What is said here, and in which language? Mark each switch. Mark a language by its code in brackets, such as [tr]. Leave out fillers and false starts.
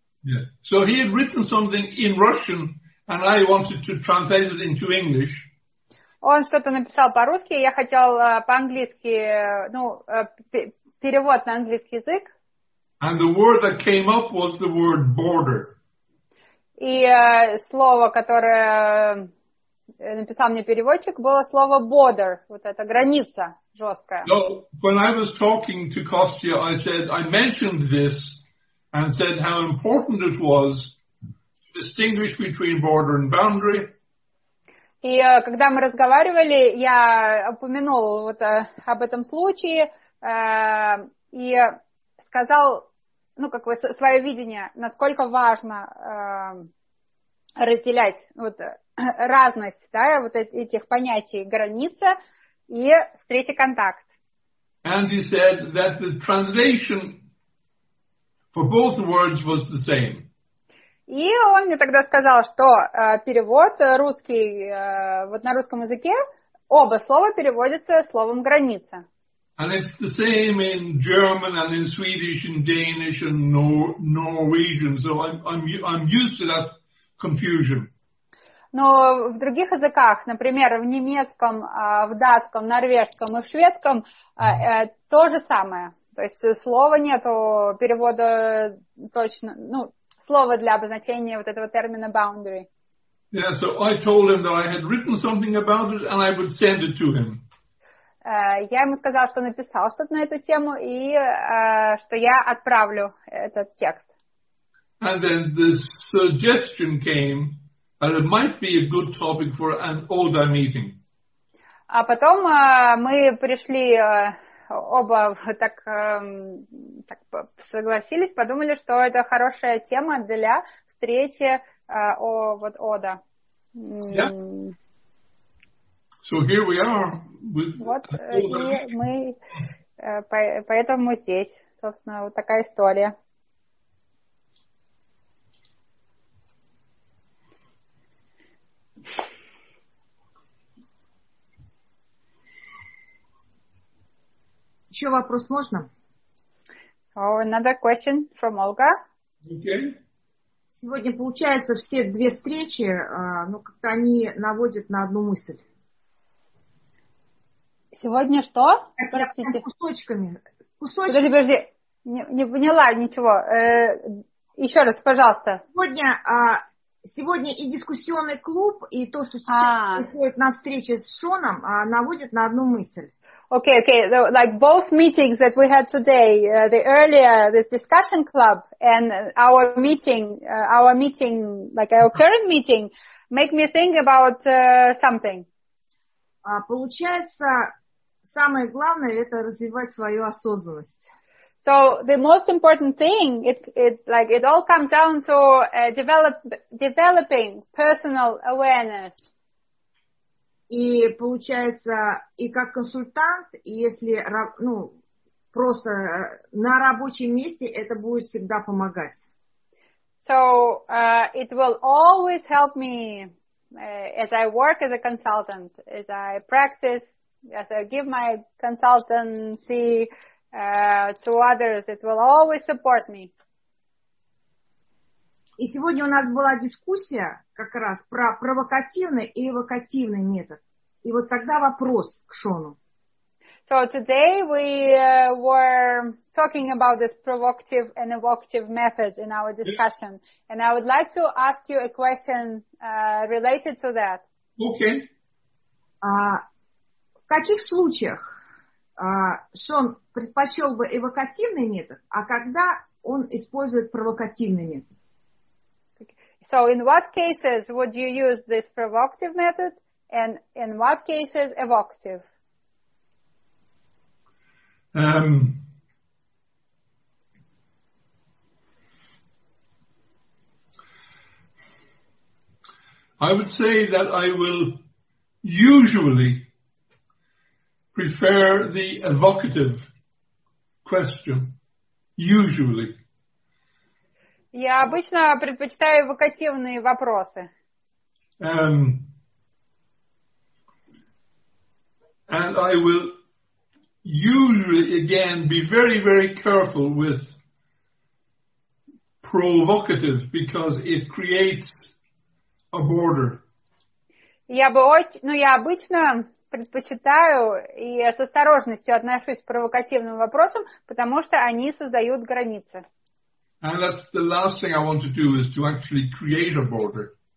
[en] Yeah. So he had written something in Russian, and I wanted to translate it into English. [ru] Он что-то написал по-русски, я хотел по-английски, ну, перевод на английский язык. [en] And the word that came up was the word border. [ru] И слово, которое написал мне переводчик, было слово border, вот эта граница жесткая. [en] So, when I was talking to Kostya, I said, I mentioned this and said how important it was to distinguish between border and boundary. [ru] И когда мы разговаривали, я упомянул вот об этом случае и сказал, ну, как бы, свое видение, насколько важно разделять вот разность, да, вот этих понятий граница и встреча контакт. [en] And he said that the translation for both words was the same. [ru] И он мне тогда сказал, что перевод русский, вот на русском языке, Оба слова переводятся словом «граница». [en] And it's the same in German and in Swedish and Danish and Norwegian. So I'm used to that confusion. [ru] Но в других языках, например, в немецком, в датском, норвежском и в шведском то же самое. То есть слова нету перевода точно, ну, слова для обозначения вот этого термина boundary. [en] Yeah, so I told him that I had written something about it and I would send it to him. [ru] Я ему сказала, что написал что-то на эту тему и что я отправлю этот текст. [en] And then the suggestion came that it might be a good topic for an older meeting. [ru] А потом мы пришли оба так, так согласились, подумали, что это хорошая тема для встречи о вот Ода. [en] Yeah. So here we are with [ru] вот, и мы поэтому мы здесь, собственно, вот такая история. Еще вопрос можно? [en] Oh, another question from Olga. Okay. [ru] Сегодня, получается, все две встречи, ну, как-то они наводят на одну мысль. Сегодня что? Простите. Кусочками. Кусочками. Подожди, подожди. Не поняла ничего. Еще раз, пожалуйста. Сегодня... Сегодня и дискуссионный клуб, и то, что сейчас происходит на встрече с Шоном, наводит на одну мысль. [en] Okay, okay. So, like both meetings that we had today, the earlier this discussion club and our meeting, like our current meeting, make me think about something. [ru] Получается, самое главное это развивать свою осознанность. [en] So the most important thing, it all comes down to developing personal awareness. [ru] И получается, и как консультант, и если, ну, просто на рабочем месте, это будет всегда помогать. [en] So it will always help me as I work as a consultant, as I practice, as I give my consultancy to others, it will always support me. [ru] И сегодня у нас была дискуссия как раз про провокативный и эвокативный метод. И вот тогда вопрос к Шону. [en] So today we were talking about this provocative and evocative methods in our discussion. Yes. And I would like to ask you a question related to that. Okay. [ru] В каких случаях Шон предпочел бы эвокативный метод, а когда он использует провокативный метод? [en] So in what cases would you use this provocative method? And in what cases evocative? I would say that I will usually prefer the evocative question. Usually. [ru] Я обычно предпочитаю эвокативные вопросы. [en] And I will usually, again, be very, very careful with provocative, because it creates a border. [ru] Я обычно предпочитаю и с осторожностью отношусь к провокативным вопросам, потому что они создают границы. [en] And that's the last thing I want to do, is to actually create a border.